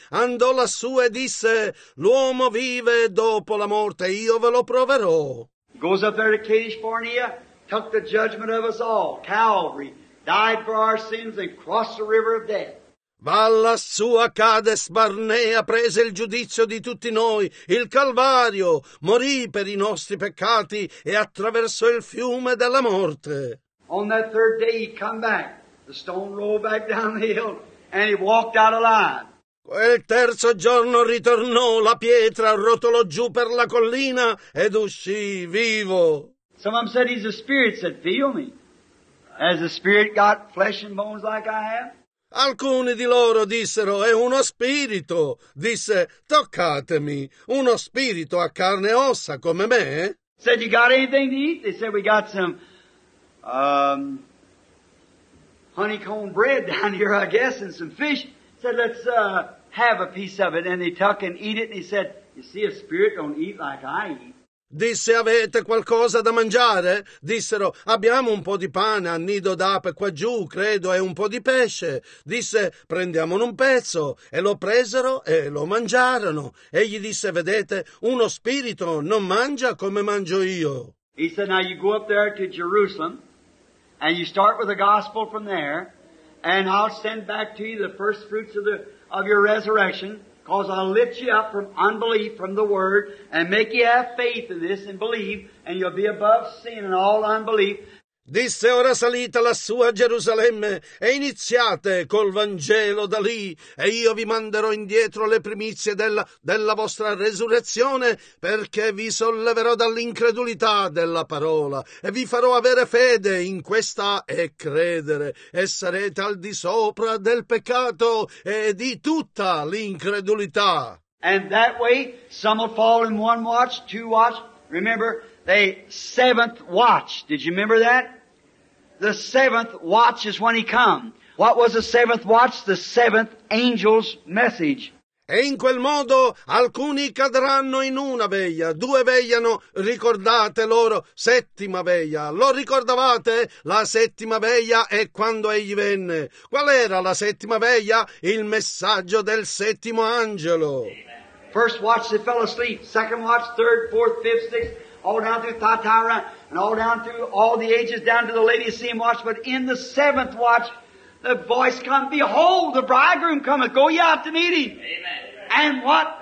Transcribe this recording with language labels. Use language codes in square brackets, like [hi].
[it] Andò lassù e disse, "L'uomo vive dopo la morte. Io ve lo proverò." [en] Goes up there to Kadesh Barnea, took the judgment of us all. Calvary died for our sins and crossed the river of death. [it] Va lassù a Kadesh Barnea, prese il giudizio di tutti noi, il Calvario, morì per i nostri peccati e attraversò il fiume della morte. [en] On that third day he come back, the stone rolled back down the hill, and he walked out alive. [it] Quel terzo giorno ritornò, la pietra rotolò giù per la collina ed uscì vivo. [en] Some of them said he's a spirit, said, "Feel me. Has the spirit got flesh and bones like I have?" [it] Alcuni di loro dissero, "È uno spirito." Disse, "Toccatemi, uno spirito a carne e ossa come me?" [en] Said, "You got anything to eat?" They said, "We got some honeycomb bread down here, I guess, and some fish." Said, "Let's have a piece of it." And they took and eat it. And he said, "You see, a spirit don't eat like I eat." [it] Disse, "Avete qualcosa da mangiare?" Dissero, "Abbiamo un po' di pane, annido d'ape qua giù, credo, e un po' di pesce." Disse, "Prendiamone un pezzo." E lo presero e lo mangiarono. Egli disse, "Vedete, uno spirito non mangia come mangio io." [en] He said, "Now you go up there to Jerusalem, and you start with the gospel from there, and I'll send back to you the first fruits of your resurrection. Because I'll lift you up from unbelief, from the Word, and make you have faith in this and believe, and you'll be above sin and all unbelief." [it] Disse, "Ora salite lassù a Gerusalemme e iniziate col Vangelo da lì, e io vi manderò indietro le primizie della vostra resurrezione, perché vi solleverò dall'incredulità della parola, e vi farò avere fede in questa e credere, e sarete al di sopra del peccato e di tutta l'incredulità." [en] And that way some will fall in one watch, two watch, remember, the seventh watch. Did you remember that? The seventh watch is when he come. What was the seventh watch? The seventh angel's message. [it] E in quel modo alcuni cadranno in una veglia, due vegliano, ricordate loro, settima veglia. Lo ricordavate? La settima veglia è quando egli venne. Qual era la settima veglia? Il messaggio del settimo angelo. [en] First watch they fell asleep. Second watch, third, fourth, fifth, sixth. All down through Thyatira and all down through all the ages down to the Laodicean watch. But in the seventh watch, the voice comes, "Behold, the bridegroom cometh. Go ye out to meet him." Amen. And what?